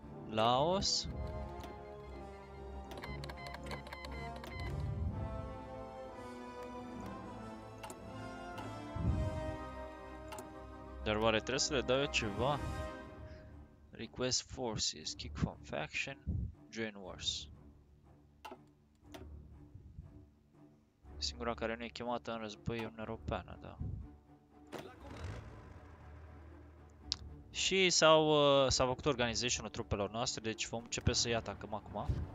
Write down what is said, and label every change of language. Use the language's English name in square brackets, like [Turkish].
[Romanian] Laos. Dar oare trebuie să le dau eu ceva? [English] Request forces, kick from faction. Join Wars. [Romanian] Singura care nu e chemată în război e Uniunea Europeană, da. Și s-au făcut organization-ul trupelor noastre, deci vom începe să-i atacăm acum.